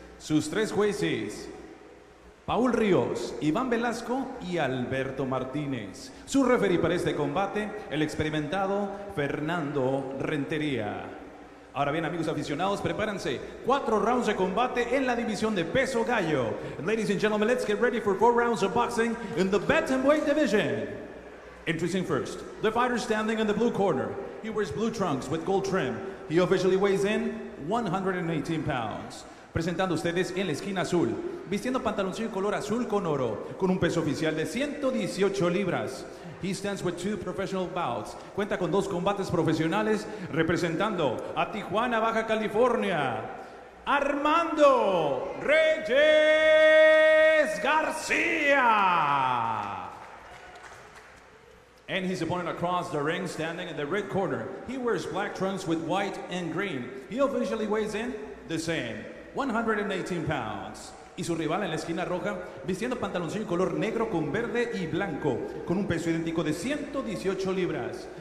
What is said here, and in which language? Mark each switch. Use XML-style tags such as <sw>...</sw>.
<es>Sus tres jueces, Paul Ríos, Iván Velasco y Alberto Martínez. Su referee para este combate, el experimentado Fernando Rentería. Ahora bien, amigos aficionados, prepárense. Cuatro rounds de combate en la división de peso gallo.</es> <en>Ladies and gentlemen, let's get ready for four rounds of boxing in the bantamweight division. Introducing first, the fighter standing in the blue corner. He wears blue trunks with gold trim. He officially weighs in 118 pounds.</en> <es>Presentando a ustedes en la esquina azul, vistiendo pantaloncillo color azul con oro, con un peso oficial de 118 libras.</es> <en>He stands with two professional bouts.</en> <es>Cuenta con dos combates profesionales, representando a Tijuana, Baja California. Armando Reyes García.</es> <en>And his opponent across the ring, standing in the red corner. He wears black trunks with white and green. He officially weighs in the same, 118 pounds.</en> <es>Y su rival en la esquina roja, vistiendo pantaloncillo color negro con verde y blanco, con un peso idéntico de 118 libras.</es>